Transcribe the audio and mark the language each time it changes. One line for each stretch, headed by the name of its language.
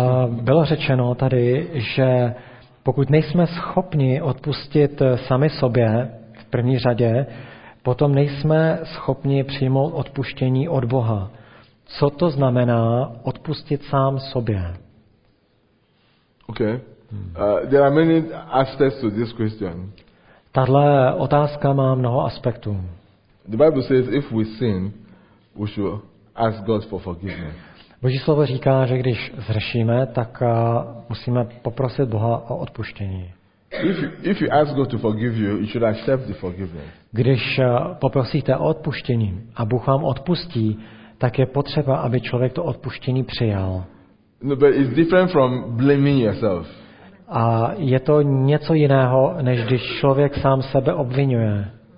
Czech: Bylo řečeno tady, že pokud nejsme schopni odpustit sami sobě v první řadě, potom nejsme schopni přijmout odpuštění od Boha. Co to znamená odpustit sám sobě?
English: Okay. There are many aspects to this question.
Czech: Tahle otázka má mnoho aspektů.
English: The Bible says if we sin, we should ask God for forgiveness.
Czech: Boží slovo říká, že když zhřešíme, tak musíme poprosit Boha o odpuštění.
English: If you ask God to forgive you, you should accept the forgiveness.
Czech: Když poprosíte o odpuštění a Bůh vám odpustí, tak je potřeba, aby člověk to odpuštění přijal.
English: No, but it's different from blaming yourself.
Czech: A je to něco jiného, než když člověk sám sebe obvinuje.